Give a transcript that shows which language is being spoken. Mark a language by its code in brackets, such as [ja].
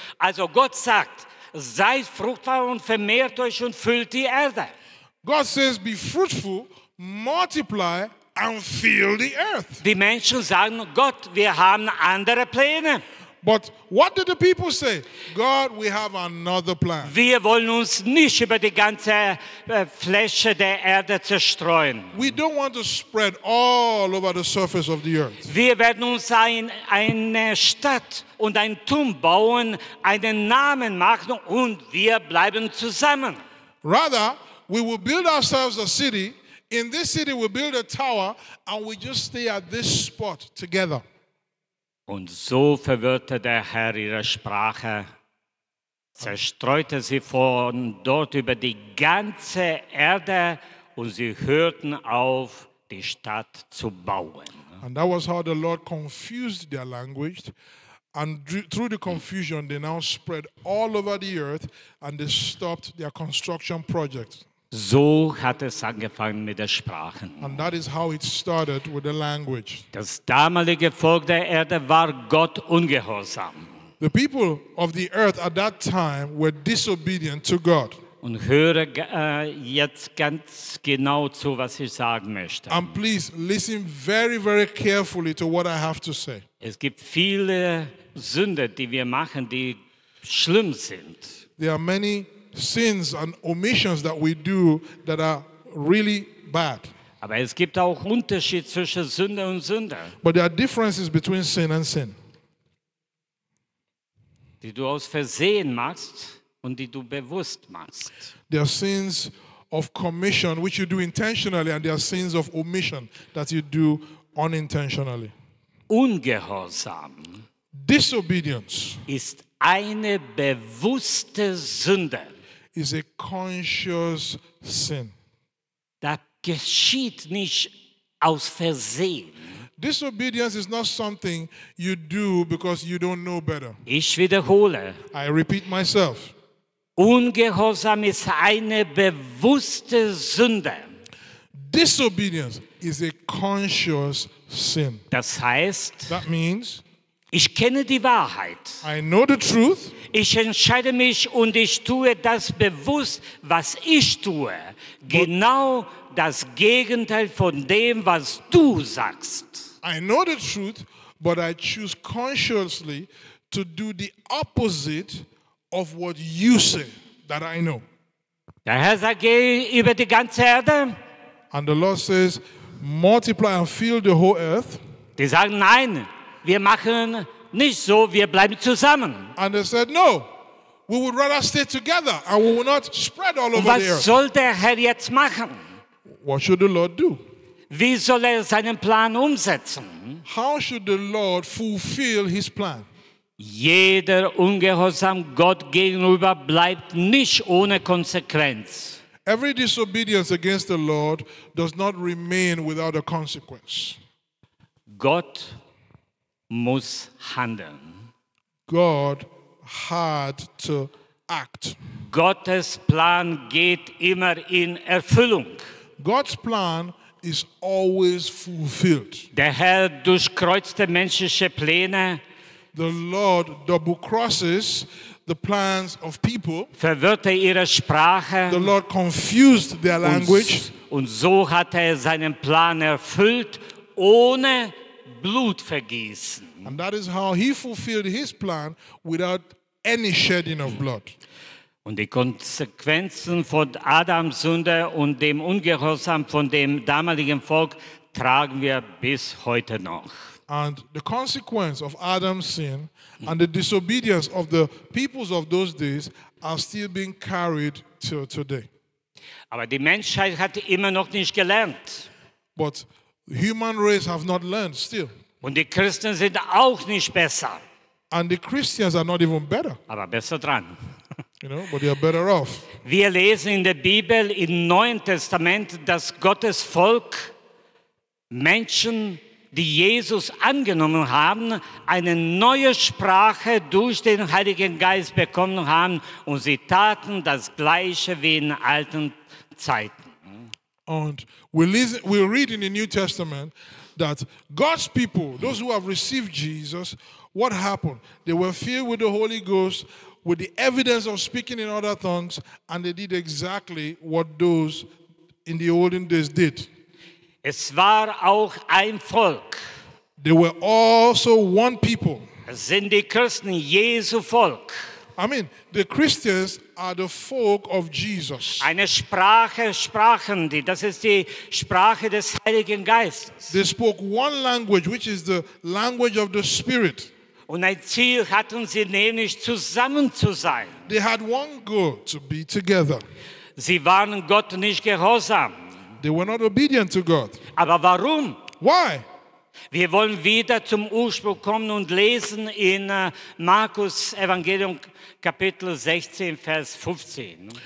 [de] Also Gott sagt, seid fruchtbar und vermehrt euch und füllt die Erde. [en] God says, be fruitful, multiply and fill the earth. [de] Die Menschen sagen, Gott, wir haben andere Pläne. [en] But what did the people say? God, we have another plan. [de] Wir wollen uns nicht über die ganze Fläche der Erde zerstreuen. [en] We don't want to spread all over the surface of the earth. [de] Wir werden uns eine Stadt und ein Turm bauen, einen Namen machen und wir bleiben zusammen. [en] Rather, we will build ourselves a city. In this city, we build a tower and we just stay at this spot together. [de] Und so verwirrte der Herr ihre Sprache, zerstreute sie von dort über die ganze Erde und sie hörten auf, die Stadt zu bauen. [en] And that was how the Lord confused their language. And through the confusion, they now spread all over the earth and they stopped their construction project. [de] So hat es angefangen mit der Sprache. [en] And that is how it started with the language. [de] Das damalige Volk der Erde war Gott ungehorsam. [en] The people of the earth at that time were disobedient to God. [de] Und höre jetzt ganz genau zu, was ich sagen möchte. [en] And please listen very, very carefully to what I have to say. [de] Es gibt viele Sünden, die wir machen, die schlimm sind. [en] There are many sins and omissions that we do that are really bad. [de] Aber es gibt auch Unterschied zwischen Sünde und Sünde. [en] But there are differences between sin and sin. [de] Die du aus Versehen machst und die du bewusst machst. [en] There are sins of commission which you do intentionally and there are sins of omission that you do unintentionally. [de] Ungehorsam. [en] Disobedience [de] ist eine bewusste Sünde. [en] Is a conscious sin. [de] Das geschieht nicht aus Versehen. [en] Disobedience is not something you do because you don't know better. [de] Ich wiederhole. [en] I repeat myself. [de] Ungehorsam ist eine bewusste Sünde. [en] Disobedience is a conscious sin. [de] Das heißt, [en] that means [de] ich kenne die Wahrheit. [en] I know the truth. [de] Ich entscheide mich und ich tue das bewusst, was ich tue. Genau das Gegenteil von dem, was du sagst. [en] I know the truth, but I choose consciously to do the opposite of what you say that I know. [de] Der Herr sagt, geh über die ganze Erde. [en] And the Lord says, multiply and fill the whole earth. [de] Die sagen, nein. Wir machen nicht so, wir bleiben zusammen. [en] And they said, no, we would rather stay together and we will not spread all over [de] was [en] the earth. [de] Was soll der Herr jetzt machen? [en] What should the Lord do? [de] Wie soll er seinen Plan umsetzen? [en] How should the Lord fulfill his plan? [de] Jeder Ungehorsam Gott gegenüber bleibt nicht ohne Konsequenz. [en] Every disobedience against the Lord does not remain without a consequence. [de] Gott muss handeln. [en] God had to act. [de] Gottes Plan geht immer in Erfüllung. [en] God's plan is always fulfilled. [de] Der Herr durchkreuzte menschliche Pläne. [en] The Lord double crosses the plans of people. [de] Verwirrte ihre Sprache. [en] The Lord confused their language. [de] Und so hat er seinen Plan erfüllt, ohne Blut vergießen. [en] And that is how he fulfilled his plan without any shedding of blood. [de] Und die Konsequenzen von Adams Sünde und dem Ungehorsam von dem damaligen Volk tragen wir bis heute noch. [en] And the consequence of Adam's sin and the disobedience of the peoples of those days are still being carried till today. [de] Aber die Menschheit hat immer noch nicht gelernt. [en] But the human race have not learned still. [de] Und die Christen sind auch nicht besser. [en] And the Christians are not even better. [de] Aber besser dran. [en] You know, but they are better off. [de] Wir lesen in der Bibel im Neuen Testament, dass Gottes Volk Menschen, die Jesus angenommen haben, eine neue Sprache durch den Heiligen Geist bekommen haben und sie taten das Gleiche wie in alten Zeiten. Und [en] we read in the New Testament that God's people, those who have received Jesus, what happened? They were filled with the Holy Ghost, with the evidence of speaking in other tongues, and they did exactly what those in the olden days did. [de] Es war auch ein Volk. [en] They were also one people. [de] Es sind die Christen, Jesu Volk. [en] I mean, the Christians are the folk of Jesus. [de] Eine Sprache sprachen die. Das ist die Sprache des Heiligen Geistes. [en] They spoke one language, which is the language of the Spirit. [de] Und ein Ziel hatten sie nämlich, zusammen zu sein. [en] They had one goal, to be together. [de] Sie waren Gott nicht gehorsam. [en] They were not obedient to God. [de] Aber warum? [en] Why? [de] Wir wollen wieder zum Ursprung kommen und lesen in Markus Evangelium Kapitel 16 Vers 15.